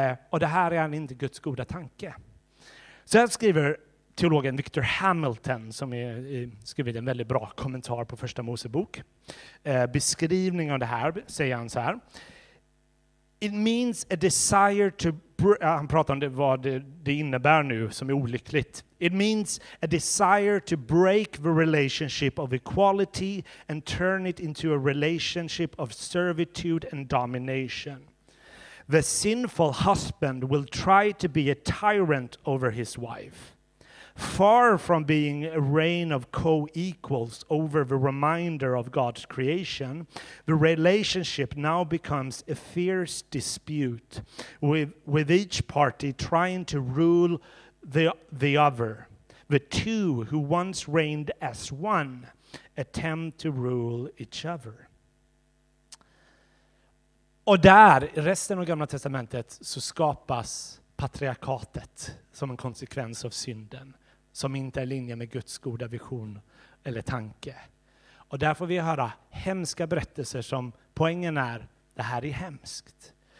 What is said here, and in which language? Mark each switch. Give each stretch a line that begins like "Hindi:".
Swedish: Och det här är inte Guds goda tanke. Så här skriver teologen Victor Hamilton, som har skrivit en väldigt bra kommentar på första Mosebok. Beskrivning av det här, säger han så här.
English: It means a desire to...
Swedish: Han pratar om det, vad det innebär nu som är olyckligt.
English: It means a desire to break the relationship of equality and turn it into a relationship of servitude and domination. The sinful husband will try to be a tyrant over his wife. Far from being a reign of co-equals over the remainder of God's creation, the relationship now becomes a fierce dispute with each party trying to rule the other. The two who once reigned as one attempt to rule each other.
Swedish: Och där, i resten av Gamla testamentet, så skapas patriarkatet som en konsekvens av synden. Som inte är i linje med Guds goda vision eller tanke. Och där får vi höra hemska berättelser som poängen är, det här är hemskt.